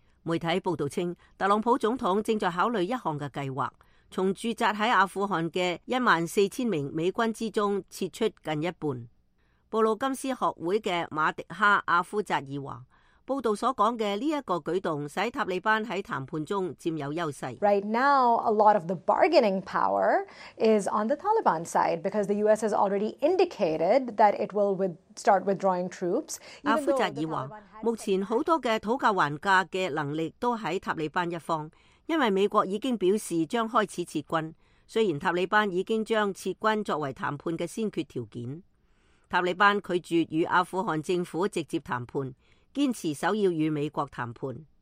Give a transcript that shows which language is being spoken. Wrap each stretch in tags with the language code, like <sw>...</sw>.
<yue>媒体报道称，特朗普总统正在考虑一项嘅计划，从驻扎喺阿富汗嘅14,000名美军之中撤出近一半。布鲁金斯学会嘅马迪哈阿夫扎尔话，报道所讲嘅呢一个举动使塔利班喺谈判中占有优势。</yue> <en>Right now, a lot of the bargaining power is on the Taliban side because the U.S. has already indicated that it will start withdrawing troops.</en> <yue>阿夫扎尔话，目前好多嘅讨价还价嘅能力都喺塔利班一方，因为美国已经表示将开始撤军。虽然塔利班已经将撤军作为谈判嘅先决条件，塔利班拒绝与阿富汗政府直接谈判，坚持首要与美国谈判。</yue>